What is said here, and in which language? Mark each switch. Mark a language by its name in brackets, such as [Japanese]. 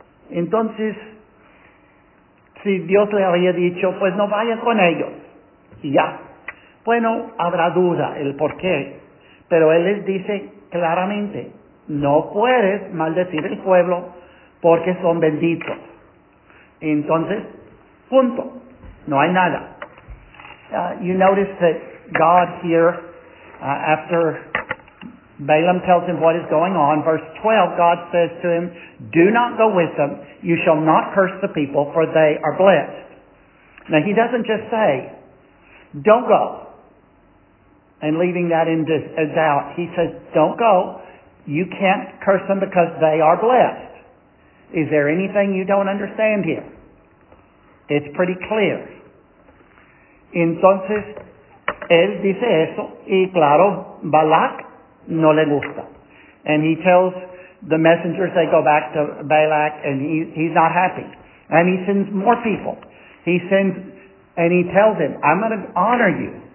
[Spanish] Entonces, si Dios le había dicho, pues no vayas con ellos, y ya. Bueno, habrá duda el por qué, pero él les dice, claramente, no puedes maldecir el pueblo porque son benditos. Entonces, punto. No hay nada. [English] You notice that God here, after Balaam tells him what is going on, verse 12, God says to him, do not go with them. You shall not curse the people, for they are blessed. Now, he doesn't just say, don't go, and leaving that in doubt. He says, don't go. You can't curse them because they are blessed. Is there anything you don't understand here? It's pretty clear. [Spanish] Entonces, él dice eso, y claro, Balak no le gusta. [English] And he tells the messengers, they go back to Balak, and he's not happy. And he sends more people. He sends, and he tells him, I'm going to honor you.